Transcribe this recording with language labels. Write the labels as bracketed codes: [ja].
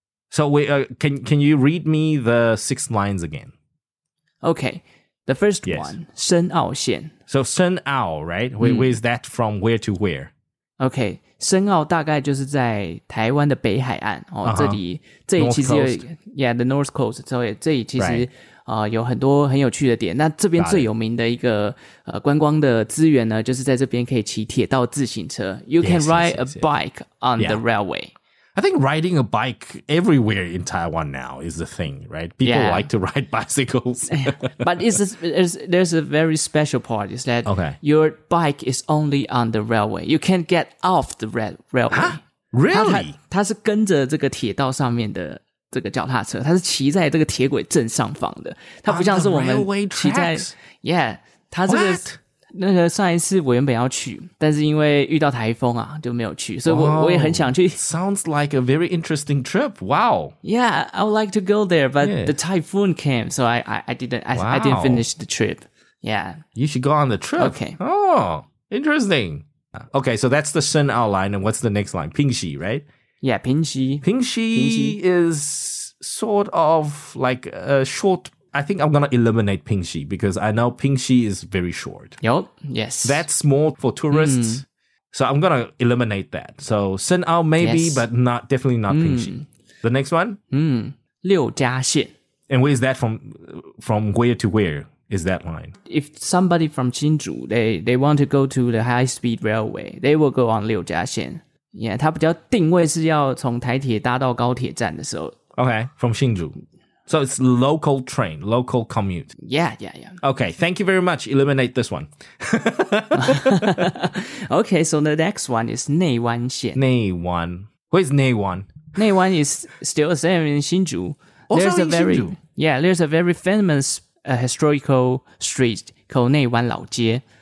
[en] So can you read me the six lines again? Okay. The first one, 申奥线. So 申奥, right? Where is that from? Where to where? [zh] Okay, 申奥大概就是在台湾的北海岸. [en] Uh-huh. [zh] 这里其实有, [en] yeah, the North Coast. [zh] So 这里其实有很多很有趣的点.那这边最有名的一个 观光的资源呢, 就是在这边可以骑铁道自行车. [en] You can ride a bike on the railway. I think riding a bike everywhere in Taiwan now is the thing, right? People yeah. like to ride bicycles. But there's a very special part is that okay. your bike is only on the railway. You can't get off the railway. Huh? Really? [zh] 它是跟着这个铁道上面的这个脚踏车，它是骑在这个铁轨正上方的。它不像是我们骑在 Yeah, 它这个、 [en] What? [zh] 那个上一次我原本要去，但是因为遇到台风啊，就没有去。所以我也很想去。 [en] Sounds like a very interesting trip. Wow. Yeah, I would like to go there, but yeah. the typhoon came, so I didn't finish the trip. Yeah. You should go on the trip. Okay. Oh, interesting. Okay, so that's the Shen Ao line, and what's the next line? Pingxi, right? Yeah, Pingxi. Pingxi is sort of like a short. I think I'm going to eliminate Pingxi because I know Pingxi is very short. Yup, yes. That's more for tourists.、Mm. So I'm going to eliminate that. So Shen Ao maybe,、yes. but not, definitely not、mm. Pingxi. The next one?、 Mm. Liu Jia Xian. And where is that from where to where is that line? If somebody from Qingzhou, they want to go to the high-speed railway, they will go on Liu Jia Xian. [zh] Yeah, 它比较定位是要从台铁搭到高铁站的时候。 [en] Okay, from Qingzhou. So it's local train, local commute. Yeah, yeah, yeah. Okay, thank you very much. Eliminate this one. Okay, so the next one is 内湾线. 内湾.Where is 内湾? 内湾 is still the same in 新竹. Also there's in a very, 新竹? Yeah, there's a very famous historical street called 内湾老街.